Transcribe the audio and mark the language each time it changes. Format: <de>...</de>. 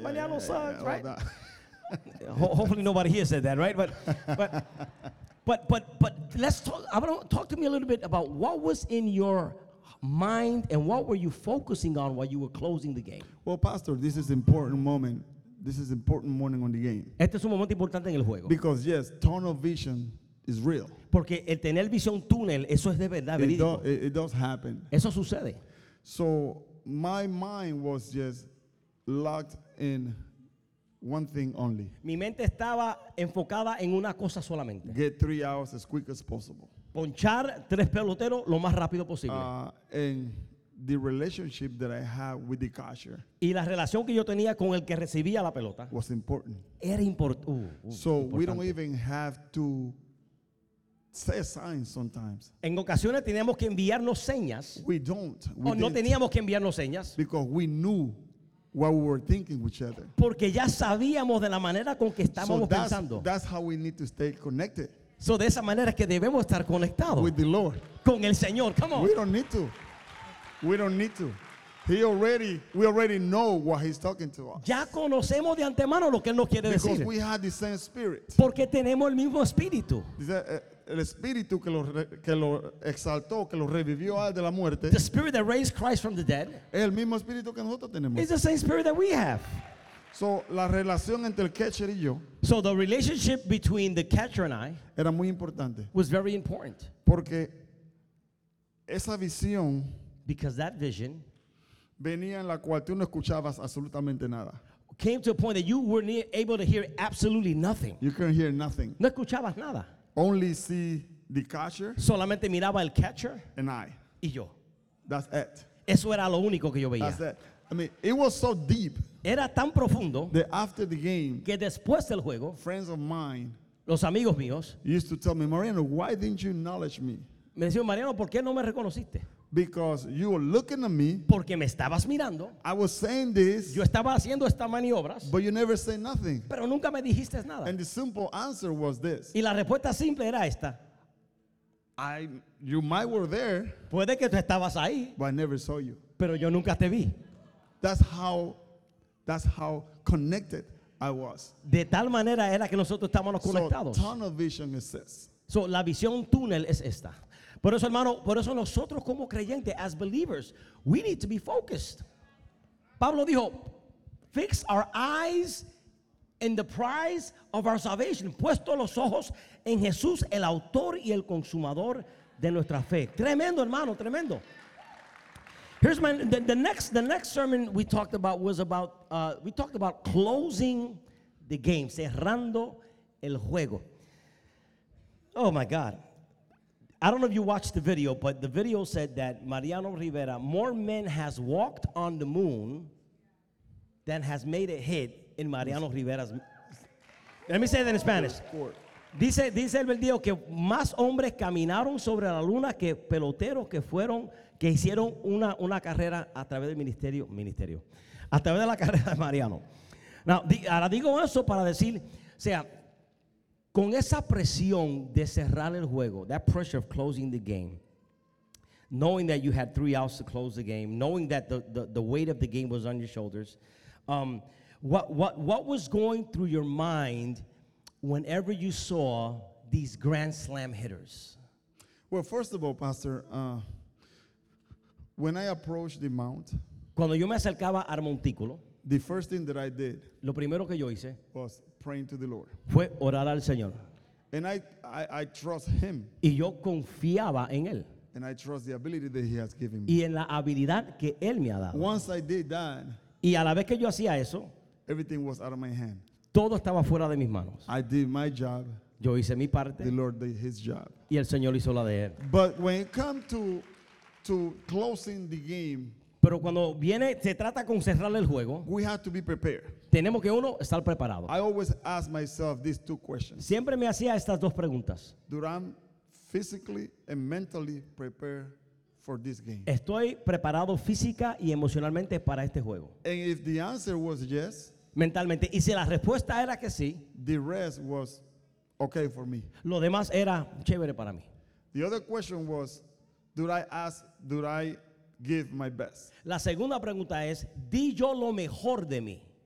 <en>Mariano sucks, right? Hopefully nobody here said that, right? But Talk to me a little bit about what was in your mind and what were you focusing on while you were closing the game. Well, Pastor, this is important moment. This is important morning on the game.</en> <es>Este es un momento importante en el juego.</es> <en>Because yes, tunnel vision is real.</en> <es>Porque el tener visión túnel, eso es de verdad, verídico.</es> <en>It does happen.</en> <es>Eso sucede.</es> <en>So my mind was just locked in one thing only.</en> <es>Mi mente estaba enfocada en una cosa solamente.</es> <en>Get 3 hours as quick as possible.</en> <es>Ponchar tres peloteros lo más rápido posible.</es> <en>And the relationship that I had with the catcher.</en> <es>Y la relación que yo tenía con el que recibía la pelota.</es> <en>Was important.</en> <es>Era importante.</es> <en>So we don't even have to say signs sometimes.</en> <es>En ocasiones teníamos que enviarnos señas.</es> <en>We don't. We</en> <es>o no teníamos que enviarnos señas.</es> <en>Because we knew what we were thinking with each other.</en> <es>Porque ya sabíamos de la manera con que estábamos</es> <en>so that's,</en> <es>pensando.</es> <en>That's how we need to stay connected.</en> <es>So de esa manera es que debemos estar conectados.</es> <en>With the Lord.</en> <es>Con el Señor.</es> <en>Come on. We don't need to. We don't need to. We already know what he's talking to us.</en> <es>Ya conocemos de antemano lo que él nos quiere</es> <en>because</en> <es>decir.</es> <en>Because we have the same spirit.</en> <es>Porque tenemos el mismo espíritu. El espíritu que lo exaltó, que lo revivió al de la muerte.</es> <en>The spirit that raised Christ from the dead.</en> <es>Es el mismo espíritu que nosotros tenemos.</es> <en>It's the same spirit that we have.</en> <es>So la relación entre el catcher y yo.</es> <en>So the relationship between the catcher and I.</en> <es>Era muy importante.</es> <en>Was very important.</en> <es>Porque esa visión.</es> <en>Because that vision.</en> <es>Venía en la cual tú no escuchabas absolutamente nada.</es> <en>Came to a point that you weren't able to hear absolutely nothing. You couldn't hear nothing.</en> <es>No escuchabas nada.</es> <en>Only see the catcher.</en> <es>Solamente miraba el catcher.</es> <en>And I.</en> <es>Y yo.</es> <en>That's it.</en> <es>Eso era lo único que yo veía.</es> <en>That's it. I mean, it was so deep.</en> <es>Era tan profundo.</es> <en>That after the game.</en> <es>Que después del juego.</es> <en>Friends of mine.</en> <es>Los amigos míos.</es> <en>Used to tell me, Mariano, why didn't you acknowledge me?</en> <es>Me decían, Mariano, ¿por qué no me reconociste?</es> <en>Because you were looking at me.</en> <es>Porque me estabas mirando.</es> <en>I was saying this.</en> <es>Yo estaba haciendo estas maniobras.</es> <en>But you never say nothing.</en> <es>Pero nunca me dijiste nada.</es> <en>And the simple answer was this.</en> <es>Y la respuesta simple era esta.</es> <en>You might were there.</en> <es>Puede que tú estabas ahí.</es> <en>But I never saw you.</en> <es>Pero yo nunca te vi.</es> <en>That's how connected I was.</en> <es>De tal manera era que nosotros estábamos conectados.</es> <en>So tunnel vision is this.</en> <es>So la visión túnel es esta. Por eso, hermano, por eso nosotros como creyentes,</es> <en>as believers, we need to be focused.</en> <es>Pablo dijo,</es> <en>fix our eyes in the prize of our salvation.</en> <es>Puesto los ojos en Jesús, el autor y el consumador de nuestra fe. Tremendo, hermano, tremendo.</es> <en>Here's my, the next sermon we talked about was about, we talked about closing the game,</en> <es>cerrando el juego.</es> <en>Oh my God. I don't know if you watched the video, but the video said that Mariano Rivera, more men has walked on the moon than has made a hit in Mariano Rivera's. Let me say that in Spanish.</en> <es>Dice el video que más hombres caminaron sobre la luna que peloteros que hicieron una carrera a través del ministerio. A través de la carrera de Mariano. Ahora digo eso para decir, o sea, con esa presión de cerrar el juego,</es> <en>that pressure of closing the game, knowing that you had 3 hours to close the game, knowing that the weight of the game was on your shoulders, what was going through your mind whenever you saw these grand slam hitters? Well, first of all, Pastor, when I approached the mount,</en> <es>cuando yo me acercaba al montículo,</es> <en>the first thing that I did,</en> <es>lo primero que yo hice,</es> <en>was praying to the Lord.</en> <es>Fue orar al Señor.</es> <en>And I trust him.</en> <es>Y yo confiaba en él.</es> <en>And I trust the ability that he has given me.</en> <es>Y en la habilidad que él me ha dado.</es> <en>Once I did that,</en> <es>y a la vez que yo hacía eso,</es> <en>everything was out of my hand.</en> <es>Todo estaba fuera de mis manos.</es> <en>I did my job.</en> <es>Yo hice mi parte.</es> <en>The Lord did his job.</en> <es>Y el Señor hizo la de él.</es> <en>But when it comes to closing the game,</en> <es>pero cuando viene, se trata con cerrar el juego.</es> <en>We have to be prepared.</en> <es>Tenemos que uno estar preparado.</es> <en>I always ask myself these two questions.</en> <es>Siempre me hacía estas dos preguntas.</es> <en>Do I physically and mentally prepare for this game?</en> <es>¿Estoy preparado física y emocionalmente para este juego?</es> <en>And if the answer was yes,</en> <es>mentalmente. Y si la respuesta era que sí,</es> <en>the rest was okay for me.</en> <es>Lo demás era chévere para mí.</es> <en>The other question was, do I give my best.</en> <es>La segunda pregunta es, ¿di yo lo mejor de mí?</es>